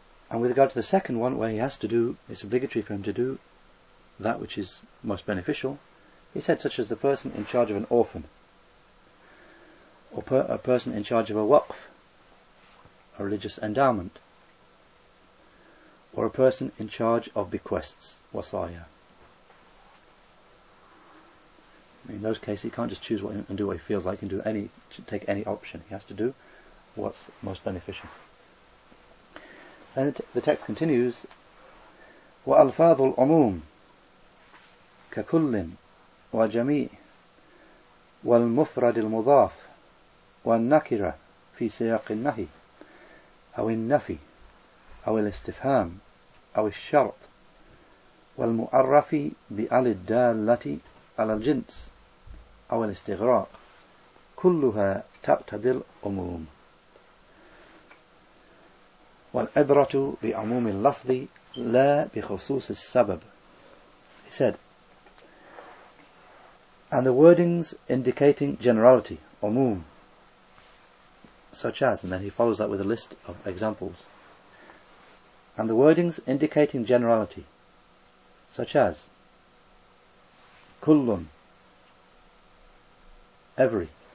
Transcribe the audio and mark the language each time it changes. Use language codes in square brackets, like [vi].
[en] And with regard to the second one, where he has to do, it's obligatory for him to do that which is most beneficial, he said, such as the person in charge of an orphan, or a person in charge of a waqf, a religious endowment, or a person in charge of bequests, wasaya. In those cases, he can't just choose what and do what he feels like. He can do any, take any option. He has to do what's most beneficial. And the text continues, [ar] وَأَلْفَاظُ الْعُمُومِ كَكُلٍ وَجَمِيعٍ وَالْمُفْرَدِ الْمُضَافِ وَالنَّكِرَ فِي سِيَاقِ النَّهِي أو النَّفِي أو الْإِسْتِفْهَامِ أو الشَّرْطِ وَالْمُعَرَّفِ بِأَلِ الدَّالَّةِ عَلَى الْجِنْسِ أو الاستغراق كلها تقتضي العموم والعبرة بعموم اللفظ لا بخصوص السبب. [en] He said, and the wordings indicating generality, umum, such as, and then he follows that with a list of examples, and the wordings indicating generality, such as, kullun, every,